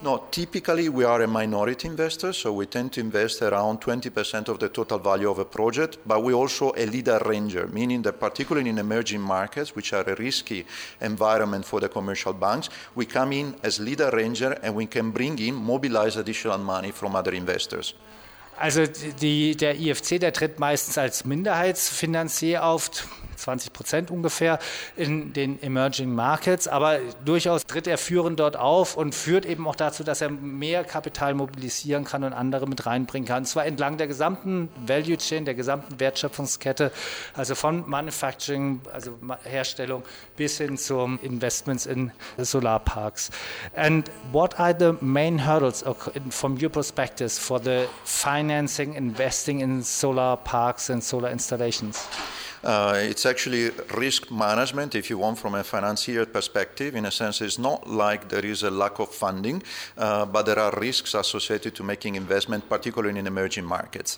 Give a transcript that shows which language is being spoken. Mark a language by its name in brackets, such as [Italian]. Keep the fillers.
[English] No, typically we are a minority investor, so we tend to invest around 20% of the total value of a project, but we also a lead arranger, meaning that particularly in emerging markets, which are a risky environment for the commercial banks, we come in as lead arranger and we can bring in, mobilize additional money from other investors. [German] Also die, der IFC, der tritt meistens als Minderheitsfinanzier auf, 20 Prozent ungefähr in den Emerging Markets, aber durchaus tritt er führend dort auf und führt eben auch dazu, dass er mehr Kapital mobilisieren kann und andere mit reinbringen kann. Und zwar entlang der gesamten Value Chain, der gesamten Wertschöpfungskette, also von Manufacturing, also Herstellung bis hin zum Investments in Solarparks. [English] And what are the main hurdles from your perspectives for the finance financing investing in solar parks and solar installations? Uh, it's actually risk management, if you want, from a financier perspective. In a sense, it's not like there is a lack of funding, uh, but there are risks associated to making investment, particularly in emerging markets.